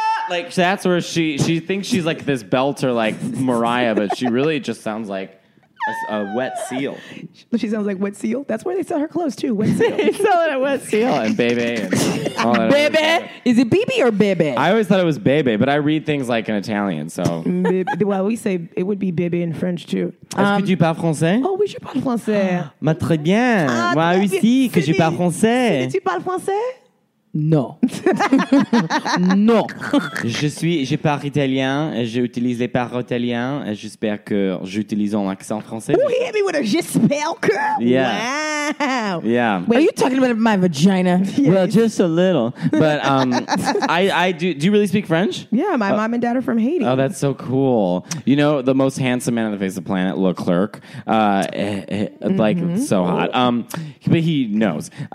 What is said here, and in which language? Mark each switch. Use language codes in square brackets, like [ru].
[en] Like, that's where she thinks she's like this belter, like Mariah, but she really just sounds like a wet seal. She sounds like wet seal? That's where they sell her clothes, too. Wet seal. They sell it at wet seal. And baby. And baby? Is it BB or baby? I always thought it was baby, but I read things like in Italian, so. Well, we say it would be baby in French, too. [fr] Est-ce que tu parles français? Oh, oui, je parle français. Mais très bien. Moi aussi, que je parle français. Tu parles français? Non. Non. Je parle italien. J'utilise les paroles italiennes. J'espère que j'utilise un accent français. [en] Oh, hit me with a [fr] j'espère que. [en] Yeah. Wow. Yeah. Wait, are you talking about my vagina? Yes. Well, just a little. But I do. Do you really speak French? Yeah, my mom and dad are from Haiti. Oh, that's so cool. You know, the most handsome man on the face of the planet, Leclerc. Mm-hmm. Like, so hot. But he knows.